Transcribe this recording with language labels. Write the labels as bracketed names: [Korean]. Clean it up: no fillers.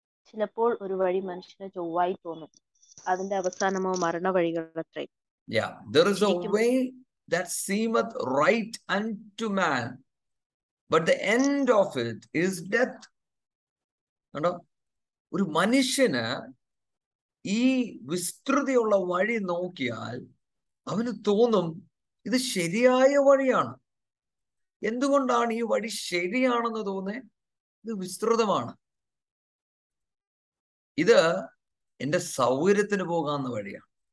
[Malayalam] ചിലപ്പോൾ ഒരു വഴി മനുഷ്യന് ചൊവ്വായി തോന്നും, അതിന്റെ അവസാനമോ മരണവഴികൾ അത്രേ. [English] Yeah, there is a [Malayalam] ശരിക്കും [English] way that seemeth right unto man, but the end of it is death. [Malayalam] കണ്ടോ, ഒരു മനുഷ്യന് ഈ വിസ്തൃതിയുള്ള വഴി നോക്കിയാൽ അവന് തോന്നും ഇത് ശരിയായ വഴിയാണ്. എന്തുകൊണ്ടാണ് ഈ വഴി ശരിയാണെന്ന് തോന്നേ? ഇത് വിസ്തൃതമാണ്, ഇത് എന്റെ സൗകര്യത്തിന് പോകാവുന്ന വഴിയാണ്.